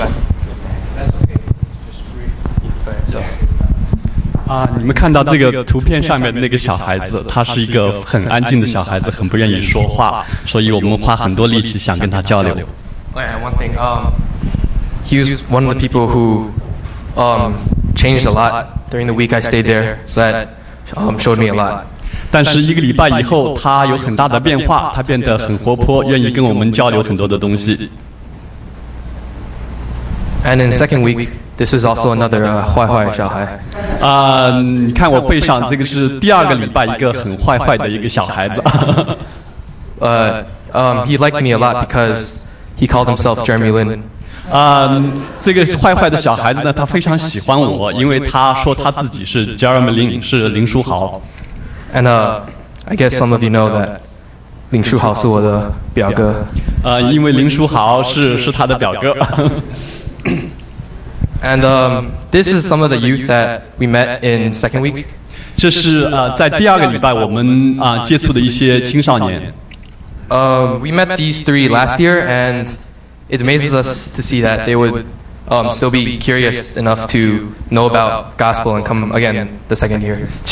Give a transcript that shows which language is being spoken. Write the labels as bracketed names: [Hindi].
[English] So, you can see this picture of the kid, he's a very quiet child, so we spent a lot of time trying to talk to him. He was one of the people who changed a lot during the week I stayed there, so that showed me a lot. [Chinese] 但是一个礼拜以后,他有很大的变化,他变得很活泼,愿意跟我们交流很多的东西. [English] And in second week, this is also another [Chinese] 坏小孩. 看我背上这个是第二个礼拜一个很坏坏的一个小孩子. [English] He liked me a lot because he called himself Jeremy Lin. [Chinese] 这个坏坏的小孩子呢，他非常喜欢我，因为他说他自己是 Jeremy Lin, 是林书豪. [English] And I guess some of you know that [Chinese] 林书豪是我的表哥. 因为林书豪是他的表哥. [English] And this is some of the youth that we met in second week. [Chinese] 这是在第二个礼拜我们接触的一些青少年. [English] We met these three last year, and it amazes us to see that they would still be curious enough to know about gospel and come again the second year.